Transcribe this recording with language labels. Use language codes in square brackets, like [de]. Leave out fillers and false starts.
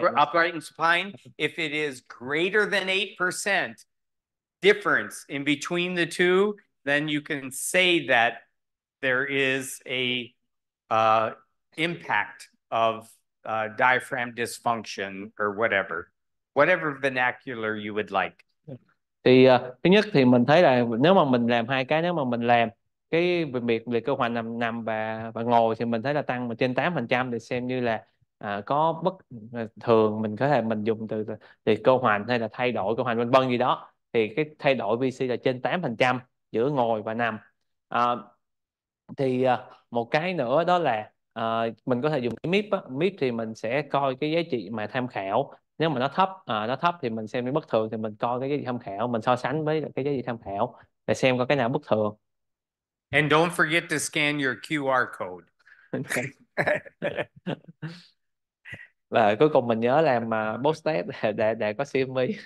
[en] Upright and supine, if it is greater than 8% difference in between the two, then you can say that there is a impact of diaphragm dysfunction or whatever. Whatever vernacular you would like. [vi] Thì thứ nhất thì mình thấy là nếu mà mình làm hai cái, nếu mà mình làm cái bệnh biệt liệt cơ hoành nằm và ngồi, thì mình thấy là tăng mà trên 8% thì xem như là có bất thường. Mình có thể mình dùng từ liệt cơ hoành hay là thay đổi cơ hoành vân vân gì đó, thì cái thay đổi VC là trên 8% giữa ngồi và nằm. Một cái nữa đó là mình có thể dùng cái MIP á. MIP thì mình sẽ coi cái giá trị mà tham khảo. Nếu mà nó thấp thì mình xem cái bất thường, thì mình coi cái giá trị tham khảo, mình so sánh với cái giá trị tham khảo để xem có cái nào bất thường. [en] And don't forget to scan your QR code. [vi] Và cuối cùng mình nhớ làm post test để có CME.